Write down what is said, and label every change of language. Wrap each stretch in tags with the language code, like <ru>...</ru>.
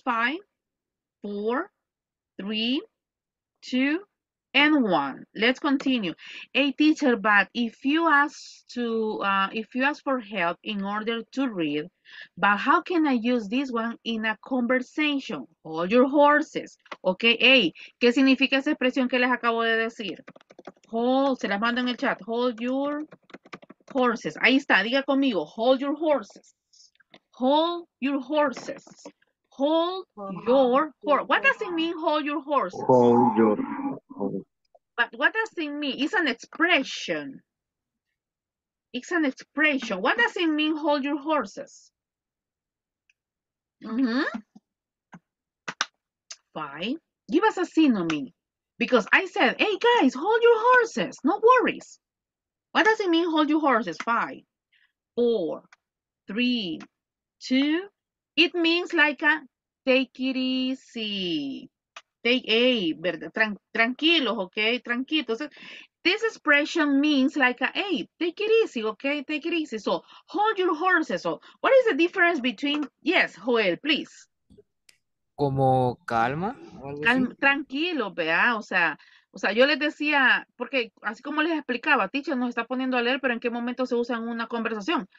<en>5, 4, 3, 2, and 1. Let's continue. Hey, teacher, but if you ask for help in order to read, but how can I use this one in a conversation? Hold your horses.</en> <es>Okay, hey, ¿qué significa esa expresión que les acabo de decir? Se las mando en el chat.</es> <en>Hold your horses.</en> <es>Ahí está, diga conmigo.</es> <en>Hold your horses. Hold your horses. Hold your horse. What does it mean, hold your horses? Hold your horses. But what does it mean? It's an expression. It's an expression. What does it mean, hold your horses? Mm-hmm. Fine. Give us a synonym. Because I said, hey guys, hold your horses. No worries. What does it mean, hold your horses? 5, 4, 3, 2. It means like a take it easy. Take, hey,</en> <es>tranquilos, okay? Tranquilos.</es> <en>This expression means like a, hey, take it easy, okay? Take it easy. So hold your horses. So what is the difference between, yes, Joel, please.</en> <es>Como calma. Tranquilo, vea, o sea, yo les decía, porque así como les explicaba, teacher nos está poniendo a leer, pero ¿en qué momento se usa en una conversación?</es>